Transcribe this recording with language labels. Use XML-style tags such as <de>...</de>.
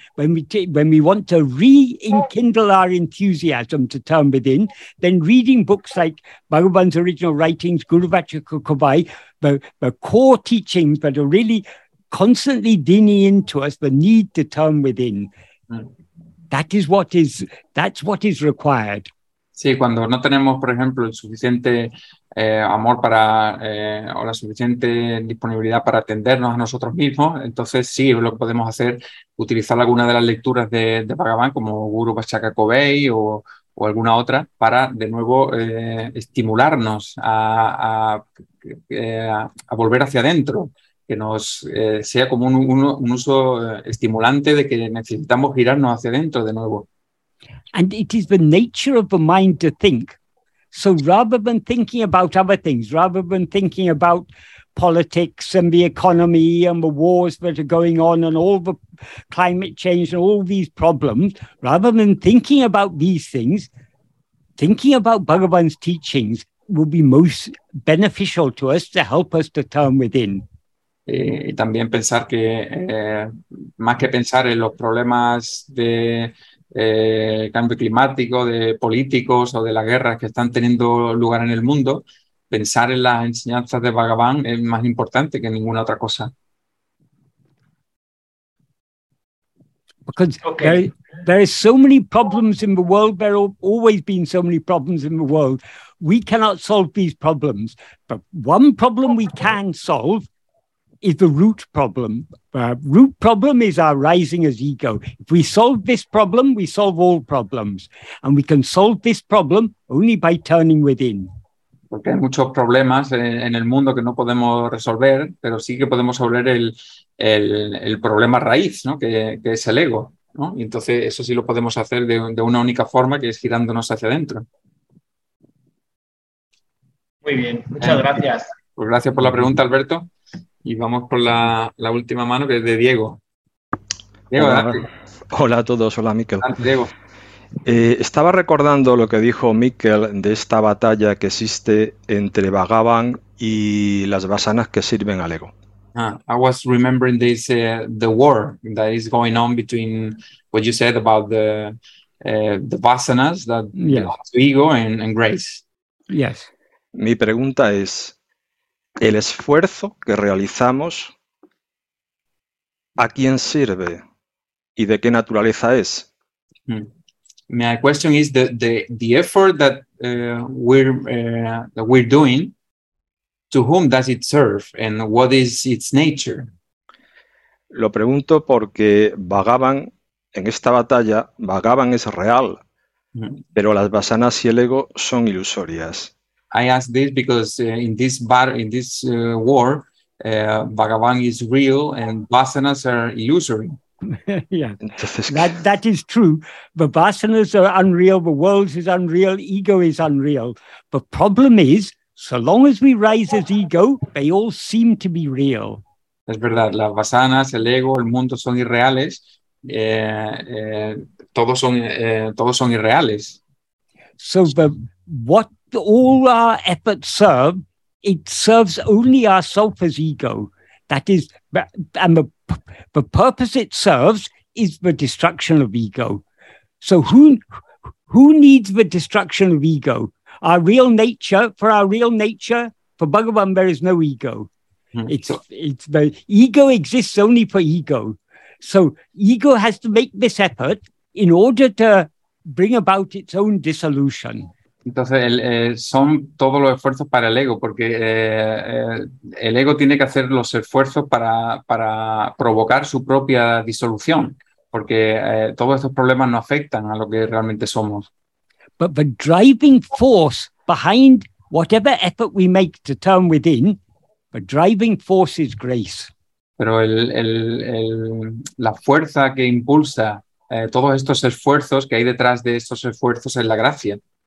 <en>When we want to rekindle our enthusiasm to turn within, then reading books like Bhagavan's original writings, Guru Vachaka Kubai, the core teachings that are really constantly dinning into us the need to turn within. That's what is required.</en> <es>Sí, cuando no tenemos, por ejemplo, el suficiente amor para o la suficiente disponibilidad para atendernos a nosotros mismos, entonces sí, lo que podemos hacer, utilizar alguna de las lecturas de Bhagavan, como Guru Vachaka Kubai o alguna otra, para de nuevo estimularnos a volver hacia adentro, que nos sea como un uso estimulante de que necesitamos girarnos hacia adentro de nuevo.</es> <en>And it is the nature of the mind to think. So rather than thinking about other things, rather than thinking about politics and the economy and the wars that are going on and all the climate change and all these problems, rather than thinking about these things, thinking about Bhagavan's teachings will be most beneficial to us to help us to turn within.</en> <es>Y también pensar que, más que pensar en los problemas de cambio climático, de políticos o de las guerras que están teniendo lugar en el mundo, pensar en las enseñanzas de Bhagavan es más importante que ninguna otra cosa.</es> <en>Because okay. there are so many problems in the world, there have always been so many problems in the world. We cannot solve these problems. But one problem we can solve is the root problem. Root problem is our rising as ego. If we solve this problem, we solve all problems. And we can solve this problem only by turning within.</en> <es>Porque hay muchos problemas en el mundo que no podemos resolver, pero sí que podemos resolver el problema raíz, ¿no? que es el ego, ¿no? Y entonces eso sí lo podemos hacer de una única forma, que es girándonos hacia adentro. Muy bien, muchas gracias. Pues gracias por la pregunta, Alberto. Y vamos por la última mano, que es de Diego. Diego, hola a todos, hola Miquel. Diego. Estaba recordando lo que dijo Miquel de esta batalla que existe entre Bhagavan y las vasanas que sirven al ego.</es> <en>I was remembering this the war that is going on between what you said about the vasanas that belong to ego and grace. Yes.</en> <es>Mi pregunta es, ¿el esfuerzo que realizamos a quién sirve y de qué naturaleza es?</es> <en>My question is the effort that we're doing, to whom does it serve and what is its nature?</en> <es>Lo pregunto porque Bhagavan, en esta batalla, Bhagavan es real, pero las vasanas y el ego son ilusorias.</es> <en>I ask this because in this war, Bhagavan is real and vasanas are illusory. that is true. The vasanas are unreal, the world is unreal, ego is unreal. The problem is, so long as we rise as ego, they all seem to be real.</en> <es>Es verdad, las vasanas, el ego, el mundo son irreales. Todos son irreales.</es> <en>So what all our efforts serve, it serves only ourselves as ego. That is, and the purpose it serves is the destruction of ego. So who needs the destruction of ego? Our real nature, for our real nature, for Bhagavan, there is no ego. It's the ego exists only for ego. So ego has to make this effort in order to bring about its own dissolution.</en> <es>Entonces, son todos los esfuerzos para el ego, porque el ego tiene que hacer los esfuerzos para provocar su propia disolución, porque todos estos problemas no afectan a lo que realmente somos.</es> <en>But the driving force behind whatever effort we make to turn within, the driving force is grace.</en> <es>Pero la fuerza que impulsa todos estos esfuerzos, que hay detrás de estos esfuerzos, es la gracia.</es>